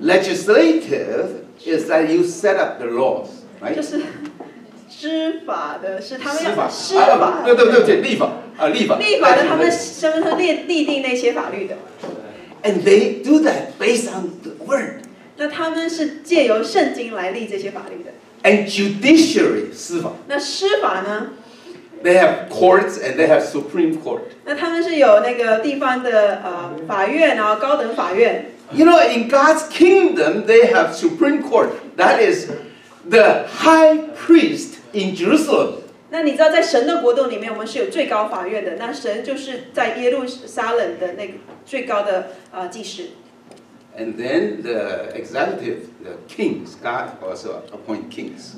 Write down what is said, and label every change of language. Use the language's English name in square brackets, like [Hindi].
[English] Legislative is that you set up the laws, right? [Chinese] 就是执法的，是他们要施法。对，立法。立法的，他们身份是立定那些法律的。 [English] And they do that based on the word. [Chinese] 那他们是借由圣经来立这些法律的。 [English] And judiciary, 司法。 [Chinese] 那施法呢？ [English] They have courts and they have Supreme Court. [Chinese] 那他们是有那个地方的法院，然后高等法院。 [English] You know, in God's kingdom, they have Supreme Court. That is the high priest in Jerusalem. [Chinese] 那你知道，在神的国度里面，我们是有最高法院的。那神就是在耶路撒冷的那个最高的祭司。 [English] And then the executive, the kings, God also appoint kings.